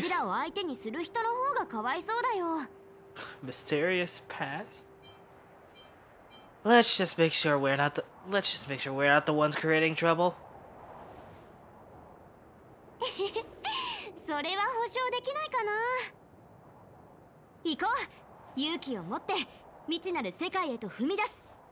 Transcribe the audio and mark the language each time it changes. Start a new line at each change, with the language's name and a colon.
Japanese: うちらを相手にする人の方がかわいそうだよ。
English: Mysterious past. Let's just make sure we're not the ones creating trouble.
Japanese: それは保証できないかな。行こう。勇気を持って未知なる世界へと踏み出す。